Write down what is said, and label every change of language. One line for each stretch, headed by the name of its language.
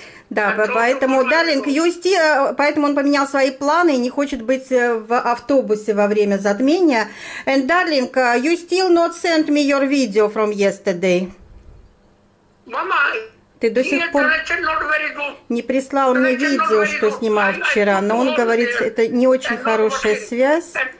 Russian: Да, поэтому он поменял свои планы и не хочет быть в автобусе во время затмения.
English: And darling, you still not sent me your video from yesterday.
Russian: Мама, ты до сих пор не прислал мне видео, что снимал вчера, но он говорит, это не очень хорошая связь.